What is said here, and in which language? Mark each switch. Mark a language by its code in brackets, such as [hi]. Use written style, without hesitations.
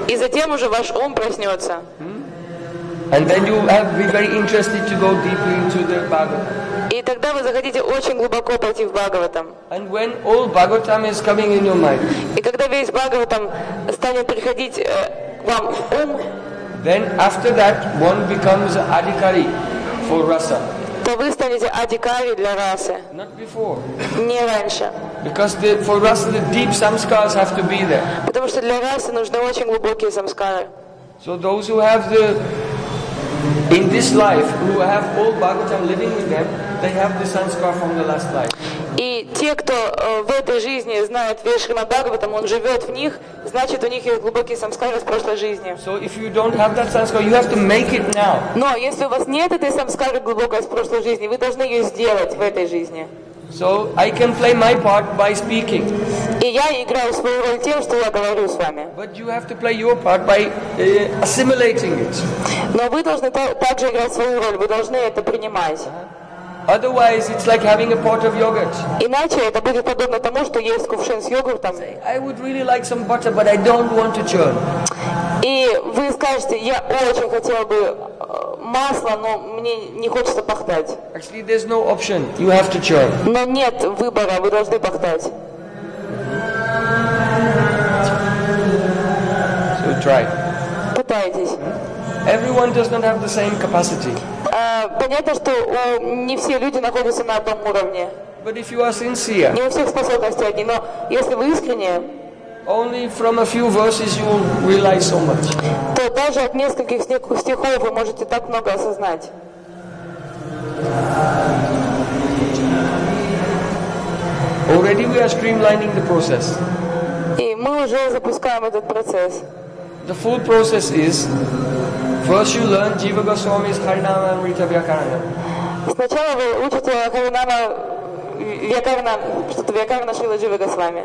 [ru] И затем уже ваш ум проснется. [en] And then you have be very interested to go deeply into the Bhagavatam. [ru] И тогда вы захотите очень глубоко пойти в Бхагаватам. [en] And when all Bhagavatam is coming in your mind. [ru] И когда весь Бхагаватам станет приходить к вам в ум. [en] Then after that, one becomes an adhikari for rasa. [ru] То вы станете адикари для расы. [en] Not before. [ru] Не раньше. [en] Because for rasa, the deep samskaras have to be there. [ru] Потому что для расы нужны очень глубокие самскары. [en] So those who have in this life, who have all Bhagavatam living in them, they have the samskara from the last life. [ru] И те, кто в этой жизни знает весь Шримад Бхагаватам, он живет в них, значит, у них есть глубокие самскары с прошлой жизни. [en] So if you don't have that samskara, you have to make it now. [ru] Но если у вас нет этой самскары глубокой с прошлой жизни, вы должны ее сделать в этой жизни. [en] So I can play my part by speaking. [ru] И я играю свою роль тем, что я говорю с вами. [en] But you have to play your part by assimilating it. [ru] Но вы должны также играть свою роль, вы должны это принимать. [en] Otherwise, it's like having a pot of yogurt. [ru] Иначе это будет подобно тому, что есть кувшин с йогуртом. [en] I would really like some butter, but I don't want to churn. [ru] И вы скажете, я очень хотел бы масла, но мне не хочется пахтать. [en] Actually, there's no option. You have to churn. [ru] Но нет выбора, вы должны пахтать. [en] So try. [ru] Пытайтесь. [en] Everyone does not have the same capacity. [ru] Понятно, что не все люди находятся на одном уровне. [en] But if you are sincere, [ru] не у всех способности одни, но если вы искренние, [en] only from a few verses you will realize so much. [ru] То даже от нескольких стихов вы можете так много осознать. [en] Already we are streamlining the process. [ru] И мы уже запускаем этот процесс. [en] The full process is: first you learn Jiva Goswami's Harinama and Rita Vyakarana. [ru] Сначала вы учите Харинама, Вьякарна, что-то Вьякарна Шрила Джива Госвами.